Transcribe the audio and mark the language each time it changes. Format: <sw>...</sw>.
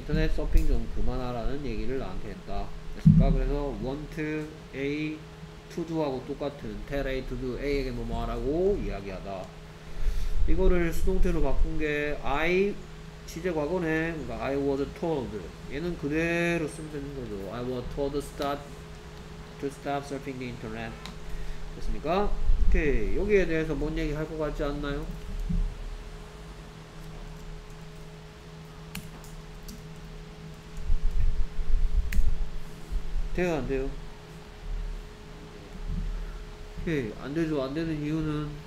<ko>인터넷 서핑 좀 그만하라는 얘기를 나한테 했다. 됐습니까? 그래서</ko> <en>want A to do</en> <ko>하고 똑같은</ko> <en>tell A to do</en> <ko>A에게 뭐 말하고 이야기하다. 이거를 수동태로 바꾼 게 I 시제 과거네. 그러니까</ko> <en>I was told.</en> <ko>얘는 그대로 쓰면 되는 거죠.</ko> <en>I was told to stop surfing the internet.</en> <ko>됐습니까? 오케이. 여기에 대해서 뭔 얘기 할 것 같지 않나요? 돼요, 안 돼요? 오케이. 안 되죠. 안 되는 이유는?</ko>